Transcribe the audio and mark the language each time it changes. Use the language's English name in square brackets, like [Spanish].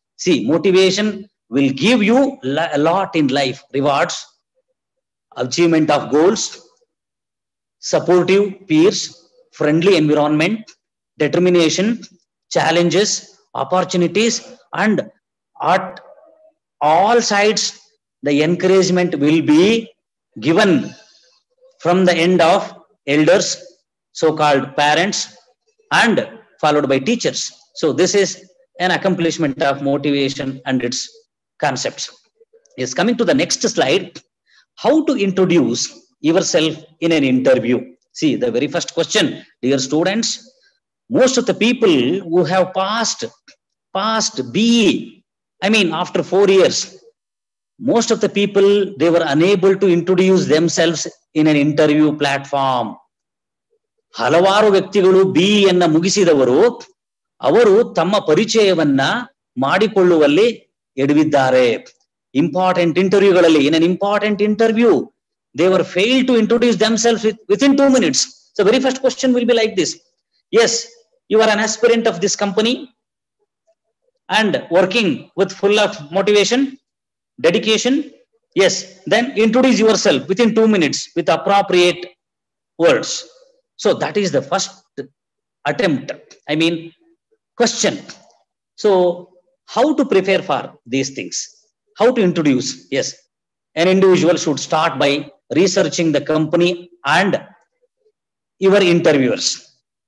[English] See, motivation will give you lot in life, rewards, achievement of goals, supportive peers, friendly environment, determination, challenges, opportunities, and at all sides the encouragement will be given from the end of elders, so called parents, and followed by teachers. So this is an accomplishment of motivation and its concepts. Yes, coming to the next slide, how to introduce yourself in an interview. See, the very first question, dear students, most of the people who have passed BE, I mean after 4 years, most of the people, they were unable to introduce themselves in an interview platform. [Kannada] ಹಲವಾರು ವ್ಯಕ್ತಿಗಳು ಬಿಇಯನ್ನ ಮುಗಿಸಿದವರು ಅವರು ತಮ್ಮ ಪರಿಚಯವನ್ನ ಮಾಡಿಕೊಳ್ಳುವಲ್ಲಿ ಎಡವಿದ್ದಾರೆ. [English] Important ಇಂಟರ್ವ್ಯೂಗಳಲ್ಲಿ, in an important interview, they're fail to introduce themself within two minutes. So very first question will be like this, as you are an aspirant of this company and working with full of motivation dedication, as then introduce yourself within two minutes with appropriate words. So that is the first attempt, I mean question. So how to prepare for these things, how to introduce? Yes, an individual should start by researching the company and your interviewers.